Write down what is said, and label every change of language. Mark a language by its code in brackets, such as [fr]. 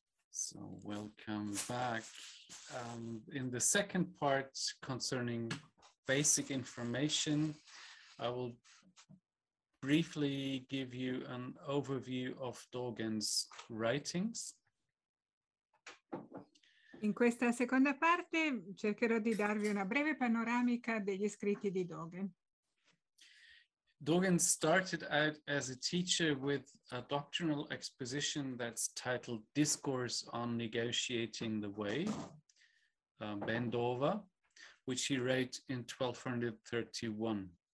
[en] So welcome back. In the second part concerning basic information, I will briefly give you an overview of Dogen's writings. [it] In questa seconda parte cercherò di darvi una breve panoramica degli scritti di Dogen. [en] Dogen started out as a teacher with a doctrinal exposition that's titled Discourse on Negotiating the Way, Bendova, which he wrote in 1231.